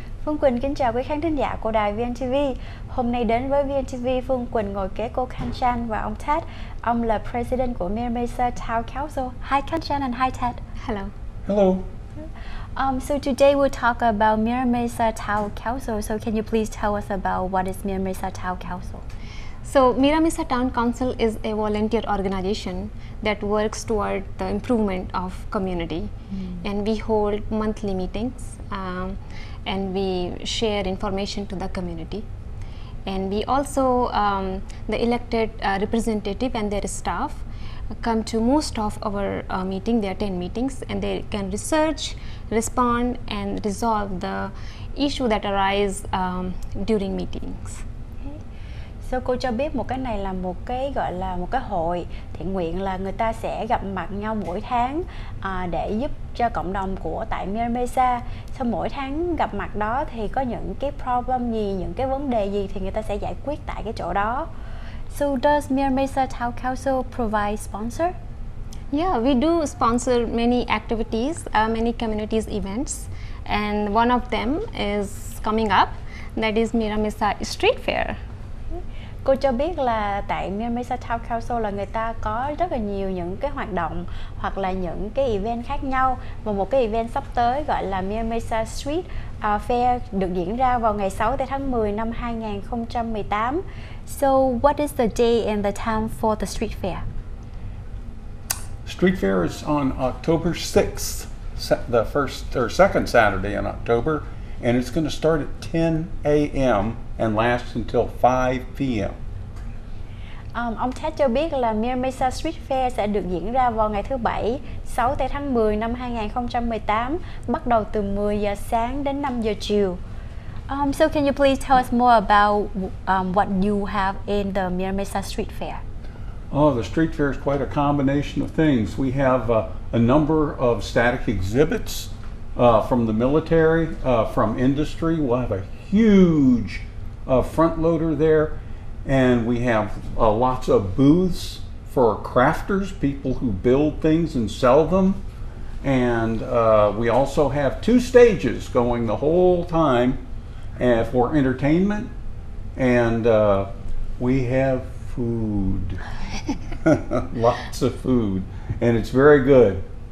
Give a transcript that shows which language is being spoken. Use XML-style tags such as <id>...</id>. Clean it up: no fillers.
<vi>Phương Quỳnh kính chào quý khán thính giả của đài VNTV. Hôm nay đến với VNTV, Phương Quỳnh ngồi kế cô Khang Chan và ông Ted. Ông là President của Miramesa Town Council.</vi> <en>Hi Khang Chan and hi Ted. Hello. Hello. So today we'll talk about Miramesa Town Council. So can you please tell us about what is Miramesa Town Council? So Miramesa Town Council is a volunteer organization that works toward the improvement of community. Mm. And we hold monthly meetings. And we share information to the community. And we also, the elected representative and their staff come to most of our meeting, there are 10 meetings, and they can research, respond, and resolve the issue that arise during meetings.</en> <vi>So cô cho biết một cái này là một cái gọi là một cái hội thiện nguyện, là người ta sẽ gặp mặt nhau mỗi tháng để giúp cho cộng đồng của tại Miramesa. Sau mỗi tháng gặp mặt đó thì có những cái problem gì, những cái vấn đề gì thì người ta sẽ giải quyết tại cái chỗ đó.</vi> <en>So does Miramesa Town Council provide sponsor? Yeah, we do sponsor many activities, many communities events, and one of them is coming up, that is Miramesa Street Fair.</en> <vi>Cô cho biết là tại Miramesa Town Council là người ta có rất là nhiều những cái hoạt động hoặc là những cái event khác nhau, và một cái event sắp tới gọi là Miramesa Street Fair được diễn ra vào ngày 6 tháng 10 năm 2018.</vi> <en>So what is the day and the time for the street fair? Street fair is on October 6th, the first or second Saturday in October, and it's going to start at 10 a.m. and lasts until 5 p.m.</en> <vi>Ông Ted cho biết là Miramesa Street Fair sẽ được diễn ra vào ngày thứ Bảy, 6 tháng 10 năm 2018, bắt đầu từ 10 giờ sáng đến 5 giờ chiều.</vi> <en>So can you please tell us more about what you have in the Miramesa Street Fair? Oh, the street fair is quite a combination of things. We have a number of static exhibits from the military, from industry. We'll have a huge front loader there, and we have lots of booths for crafters, people who build things and sell them, and we also have two stages going the whole time for entertainment, and we have food, lots of food, and it's very good.</en>